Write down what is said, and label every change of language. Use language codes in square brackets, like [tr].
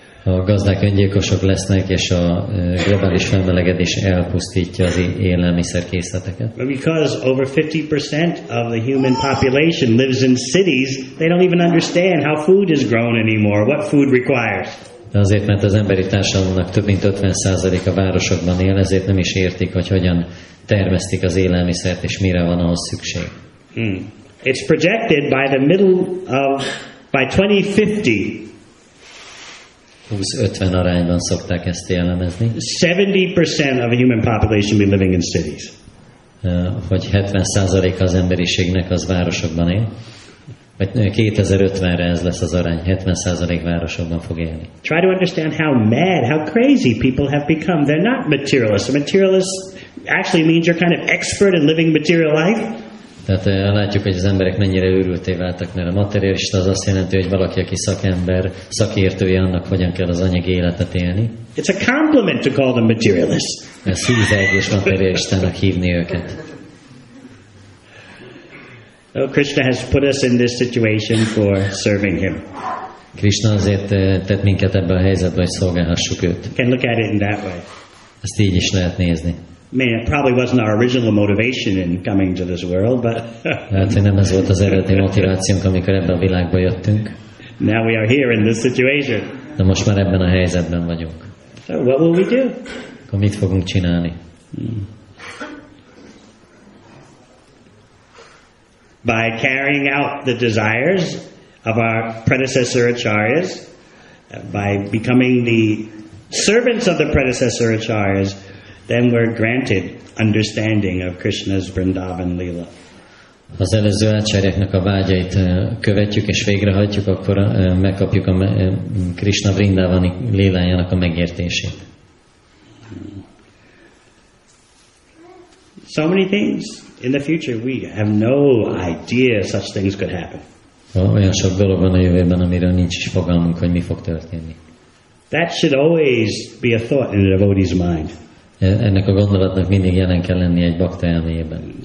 [hu] A gazdák öngyilkosok lesznek, és a globális felmelegedés elpusztítja az élelmiszerkészleteket. [en] Because over 50% of the human population lives in cities, they don't even understand how food is grown anymore, what food requires. [hu] De azért, mert az emberi társadalomnak több mint 50% a városokban él, ezért nem is értik, hogy hogyan termesztik az élelmiszert, és mire van ahhoz szükség. [en] It's projected by the middle of, by 2050. [hu] 20-50 arányban szokták ezt jellemezni. [en] 70% of a human population be living in cities. [hu] Hogy 70% az emberiségnek az városokban él. Vagy 2050-re ez lesz az arány. 70% városokban fog élni. [en] Try to understand how mad, how crazy people have become. They're not materialists. A materialist actually means you're kind of expert in living material life. [hu] Tehát látjuk, hogy az emberek mennyire őrülté váltak, mert a materialista az azt jelenti, hogy valaki, aki szakember, szakértője annak, hogyan kell az anyagi életet élni. [en] It's a compliment to call them materialists. [hu] Ez hűzeg és materialistának hívni őket. [en] Oh, Krishna has put us in this situation for serving him. [hu] Krishna azért tett minket ebben a helyzetben, hogy szolgálhassuk őt. [en] Can look at it in that way. [hu] Ezt így is lehet nézni. [en] I mean, it probably wasn't our original motivation in coming to this world, but [hu] hát, hogy nem ez volt az eredeti motivációnk, amikor ebben a világba jöttünk. [en] Now we are here in this situation. [hu] De most már ebben a helyzetben vagyunk. [en] So what will we do? [hu] Akkor mit fogunk csinálni? [en] By carrying out the desires of our predecessor acharyas, by becoming the servants of the predecessor acharyas, then we're granted understanding of Krishna's Vrindavan Lila. [hu] Az előző acharyáknak a vágyait követjük és végrehajtjuk, akkor megkapjuk a Krishna Vrindavani Lilájának a megértését. [en] So many things in the future we have no idea such things could happen. [hu] Olyan sok dolog van a jövőben, amiről nincs is fogalmunk, hogy mi fog történni. [en] That should always be a thought in a devotee's mind. [hu] Ennek a gondolatnak mindig jelen kell lenni egy bakta elméjében.